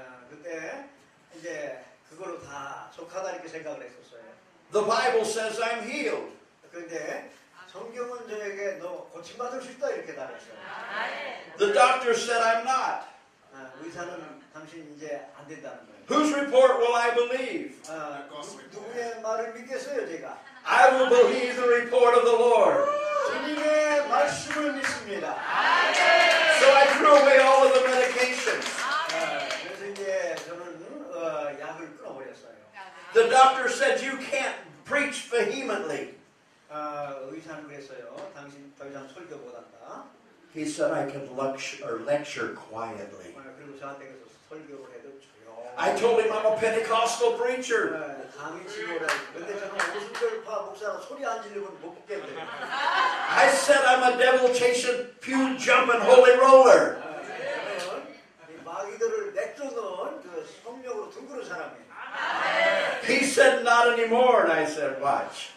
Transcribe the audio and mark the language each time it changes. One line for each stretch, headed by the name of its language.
Korean: 그때 이제 그걸로 다 족하다 이렇게 생각을 했었어요.
English: The Bible says I'm healed.
Korean: 근데 성경은 저에게 너 고침받을 수 있다 이렇게 말했어요.
English: The doctor said I'm not.
Korean: 의사는 당신 이제 안 된다는 거예요.
English: Whose report will I believe?
Korean: 누구의 말을 믿겠어요 제가?
English: I will believe the report of the Lord.
Korean: 주님의 말씀을 믿습니다.
English: So I threw away all of the medications.
Korean: 그래서 이제 저는 약을 끊어버렸어요.
English: The doctor said you can't preach vehemently.
Korean: 의사는 그랬어요. 당신 더 이상 설교 못한다.
English: He said I can lecture quietly.
Korean: 그리고 저한테 그래서 설교를 해도
English: I told him I'm a Pentecostal preacher.
Korean: 강의 치고라. 근데 저는 오순절파 목사라 소리 안 지르면 못 듣겠네.
English: I said I'm a devil-chasing, pew-jumping, holy roller.
Korean: 마귀들을 내쫓는 그 성령으로 둥그는 사람이.
English: He said not anymore, and I said, watch.